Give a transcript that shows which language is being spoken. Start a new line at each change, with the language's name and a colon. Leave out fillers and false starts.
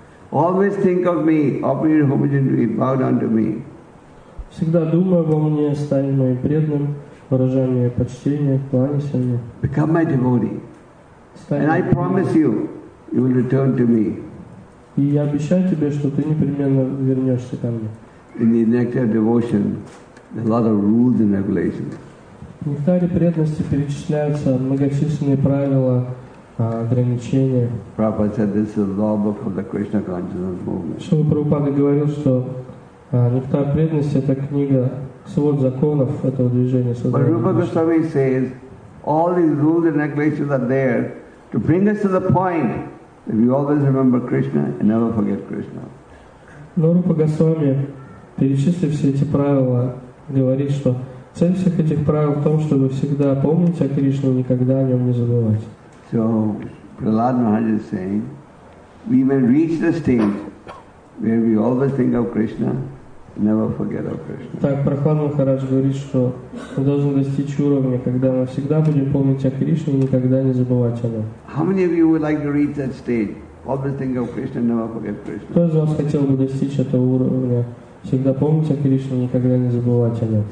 English: Always think of me, offer your homage to me, bow down to me.
Russian: Всегда думай обо мне, стань моим преданным, выражай мне почтение, кланяйся мне.
English: Become my devotee. And I promise you, you will return to me.
Russian: И я обещаю тебе, что ты непременно вернешься ко мне.
English: In the nectar of devotion, there are a lot of rules and regulations.
Russian: В нектаре преданности перечисляются многочисленные правила, ограничения.
English: Prabhupada said this is the law book of the Krishna consciousness movement.
Russian: Шрила Прабхупада говорил, что нектар преданности — это книга, свод законов этого движения.
English: But Rupa Goswami says, all these rules and regulations are there to bring us to the point that we always remember Krishna and never forget Krishna.
Russian: Но Рупа Госвами, перечислив все эти правила, говорит, что цель всех этих правил в том, чтобы всегда помнить о Кришне и никогда о нем не забывать.
English: So, Prahlad Maharaj is saying, we may reach the stage where we always think of Krishna, never forget of Krishna.
Russian: Так, Прахлад Махарадж говорит, что мы должны достичь уровня, когда мы всегда будем помнить о Кришне и никогда не забывать о нем.
English: How many of you would like to reach that stage? Always think of Krishna, never forget Krishna.
Russian: Кто из вас хотел бы достичь этого уровня? Всегда помните о Кришне, никогда не забывайте о нем.